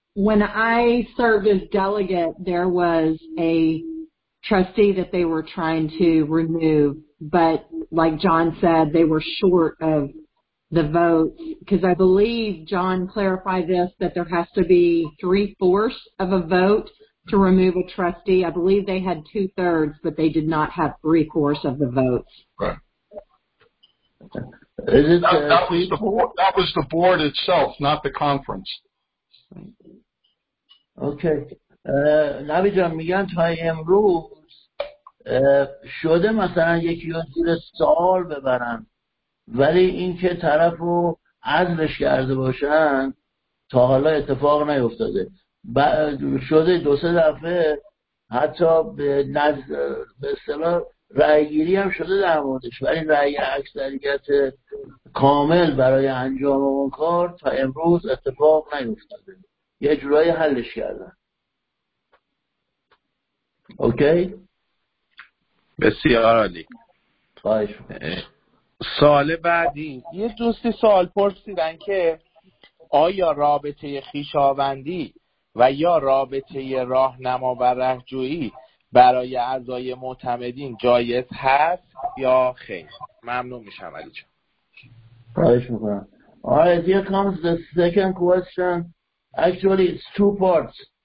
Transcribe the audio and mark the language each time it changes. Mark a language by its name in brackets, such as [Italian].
[English] When I served as delegate, there was a trustee that they were trying to remove, but like John said, they were short of the votes, because I believe John clarified this, that there has to be 3/4 of a vote to remove a trustee. I believe they had 2/3, but they did not have 3/4 of the votes. Right. That was the board itself, not the conference. Okay. [Persian] نبی جان، میگن تا امروز شده مثلا یکی رو زیر سوال ببرن، ولی اینکه طرف رو عزلش کرده باشن تا حالا اتفاق نیفتاده. شده دو سه دفعه حتی به اصطلاح رأی گیری هم شده در موردش، ولی رأی اکثریت کامل برای انجام اون کار تا امروز اتفاق نیفتاده. یه جورایی حلش کردن. [English] Okay. [Persian] بسیار عالی. خواهش. سال بعدی یه دوستی سوال پرسیدن که آیا رابطه خویشاوندی و یا رابطه راهنما و رهجویی برای اعضای معتمدین جایز هست یا خیر؟ ممنون میشم علی جان. خواهش میکنم. [English] All right, here comes the second question. Actually it's two parts.